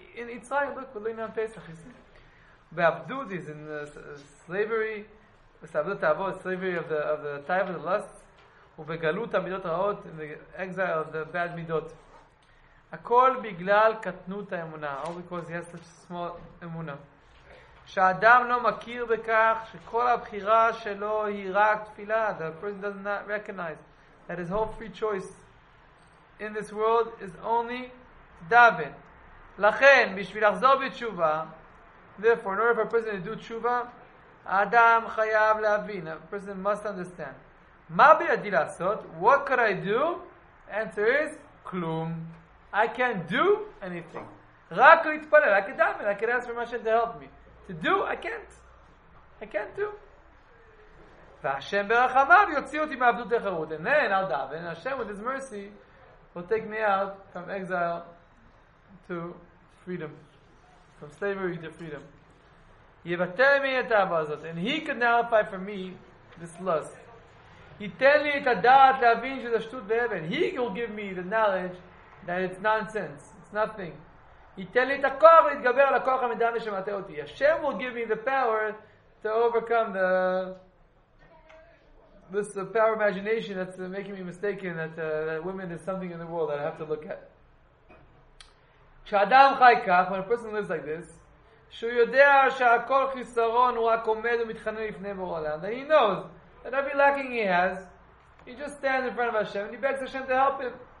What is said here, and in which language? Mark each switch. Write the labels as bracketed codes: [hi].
[en] In Mitzrayim, look, we're learning on Pesach. Be'abdud is in the slavery. Slavery of the type of the lust. [he] ובגלות המידות רעות, [en] in the exile of the bad midot. [he] הכל בגלל קטנות האמונה. [en] All because he has such a small אמונה. [he] שאדם לא מכיר בכך שכל הבחירה שלו היא רק תפילה. [en] The person does not recognize that his whole free choice in this world is only daven. [he] לכן, בשביל לחזור בתשובה, [en] therefore, in order for a person to do תשובה, [he] האדם חייב להבין. [en] A person must understand. [he] מה בידי לעשות? [en] What could I do? Answer is, כלום. I can't do anything. [he] רק להתפלל, [en] I could ask for my Hashem to help me. To do, I can't do. [he] והשם ברחמיו יוציא אותי מעבדות לחירות. [en] And then I'll daven, Hashem with his mercy will take me out from exile to freedom. From slavery to freedom. [he] יבטל מי את האהבה הזאת. [en] And he could nullify for me this lust. [he] ייתן לי את הדעת להבין שזה שטות ואבן. [en] He will give me the knowledge that it's nonsense. It's nothing. [he] ייתן לי את הכוח להתגבר על הכוח המדמה שמטה אותי. [en] Hashem will give me the power to overcome this power imagination that's making me mistaken that women is something in the world that I have to look at. [he] כשאדם חי כך, [en] when a person lives like this, [he] שהוא יודע שהכל חיסרון הוא רק עומד ומתחנן לפני בורא עולם. [en] And he knows that every lacking he has, he just stands in front of Hashem and he begs Hashem to help him.